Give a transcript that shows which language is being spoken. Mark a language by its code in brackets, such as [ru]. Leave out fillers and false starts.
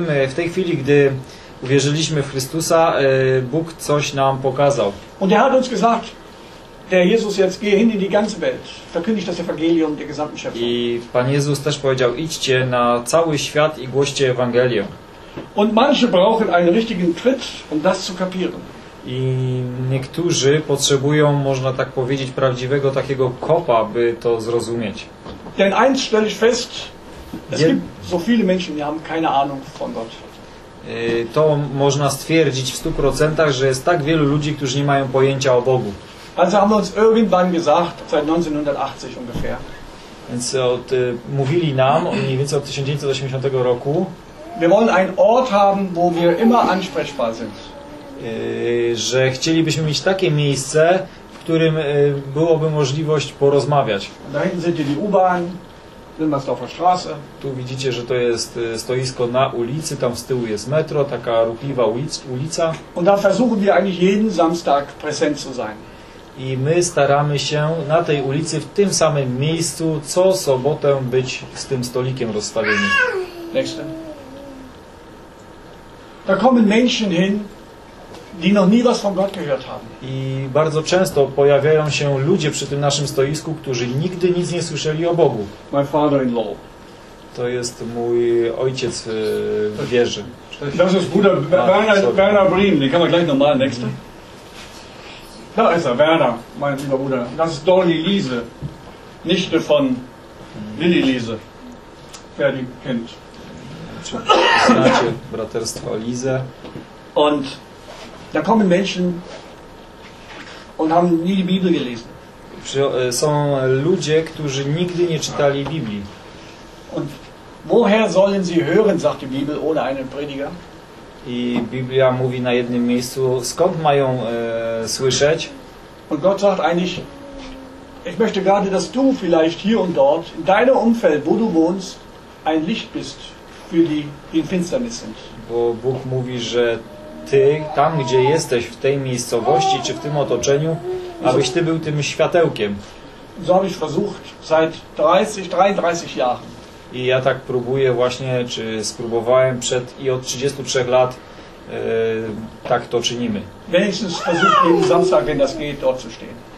[pl] W tej chwili, gdy uwierzyliśmy w Chrystusa, Bóg coś nam pokazał. [de] Und hat uns gesagt, Herr Jesus, jetzt geh hin in die ganze Welt. Verkündigt das Evangelium der gesamten Schöpfung. [pl] I Pan Jezus też powiedział, idźcie na cały świat i głoście Ewangelię. [de] Und manche brauchen einen richtigen Tritt, das zu kapieren. [pl] I niektórzy potrzebują, można tak powiedzieć, prawdziwego takiego kopa, by to zrozumieć. [de] Denn eins stelle ich fest, es gibt so viele Menschen, die haben keine Ahnung von Gott. [pl] To można stwierdzić w 100%, że jest tak wielu ludzi, którzy nie mają pojęcia o Bogu. [de] Also haben wir uns irgendwann gesagt, seit 1980 ungefähr. [pl] Więc mówili nam mniej więcej od 1980 roku. [de] Wir wollen einen Ort haben, wo wir immer ansprechbar sind. [pl] Że chcielibyśmy mieć takie miejsce, w którym byłoby możliwość porozmawiać. [de] Da hinten seht ihr die U-Bahn, Wilmersdorfer Straße. [pl] Tu widzicie, że to jest stoisko na ulicy, tam z tyłu jest metro, taka ruchliwa ulica. [de] Und da versuchen wir eigentlich jeden Samstag präsent zu sein. [pl] I my staramy się na tej ulicy, w tym samym miejscu, co sobotę być z tym stolikiem rozstawionym. [de] Nächste. Da kommen Menschen hin, die noch nie was von Gott gehört haben. [pl] I bardzo często pojawiają się ludzie przy tym naszym stoisku, którzy nigdy nic nie słyszeli o Bogu. [en] My father-in-law. [pl] To jest mój ojciec w wierze. To jest [de] Bruder Werner Brehm, den kann man gleich nochmal, nächste. Da ist er, Werner, mein lieber Bruder. Das ist Dolly Liese, Nichte von Lilly Liese. Wer die kennt. [pl] Znacie braterstwo Liese. [de] Und da kommen Menschen und haben nie die Bibel gelesen. [pl] Są ludzie, którzy nigdy nie czytali Biblii. [de] Und woher sollen sie hören, sagt die Bibel, ohne einen Prediger? [pl] I Biblia mówi na jednym miejscu, skąd mają słyszeć. [de] Und Gott sagt eigentlich, ich möchte gerade, dass du vielleicht hier und dort, in deinem Umfeld, wo du wohnst, ein Licht bist für die, die in Finsternis sind. [pl] Bo Bóg mówi, że ty, tam gdzie jesteś, w tej miejscowości, czy w tym otoczeniu, abyś ty był tym światełkiem. [de] So habe ich versucht, seit 33 Jahren. [pl] I ja tak próbuję właśnie, czy spróbowałem przed i od 33 lat tak to czynimy. [de] Wenigstens versuchen wir Samstag, wenn das geht, dort zu stehen.